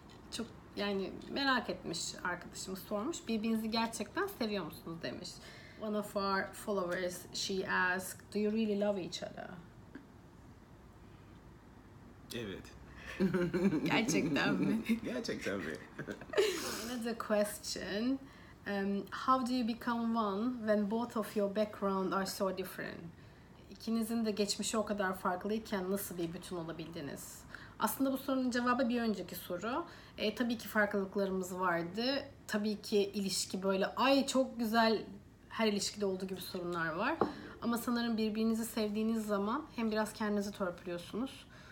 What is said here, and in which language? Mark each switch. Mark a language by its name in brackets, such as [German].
[Turkish] Çok yani merak etmiş arkadaşım, sormuş birbirinizi gerçekten seviyor musunuz demiş. [English] One of our followers, she asked, do you really love each other? [Turkish] Evet. Gerçekten mi? Gerçekten mi? [English] Another question. How do you become one when both of your background are so different? [Turkish] İkinizin de geçmişi o kadar farklıyken nasıl bir bütün olabildiniz? Aslında bu sorunun cevabı bir önceki soru. Tabii ki farklılıklarımız vardı. Tabii ki ilişki böyle, ay çok güzel, her ilişkide olduğu gibi sorunlar var. Ama sanırım birbirinizi sevdiğiniz zaman hem biraz kendinizi törpülüyorsunuz.